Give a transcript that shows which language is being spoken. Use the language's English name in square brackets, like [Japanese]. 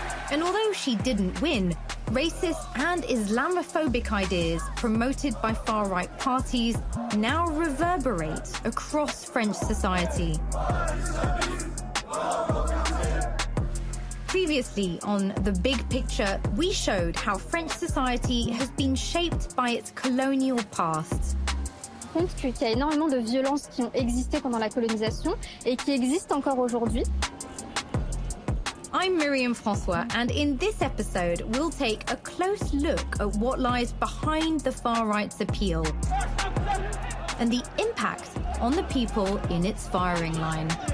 [English] And although she didn't win, racist and Islamophobic ideas promoted by far-right parties now reverberate across French society. Previously on The Big Picture, we showed how French society has been shaped by its colonial past. [French] Compte qu'il y a énormément de violences qui ont existé pendant la colonisation et qui existent encore aujourd'hui. [English] I'm Miriam Francois, and in this episode, we'll take a close look at what lies behind the far-right's appeal and the impact on the people in its firing line.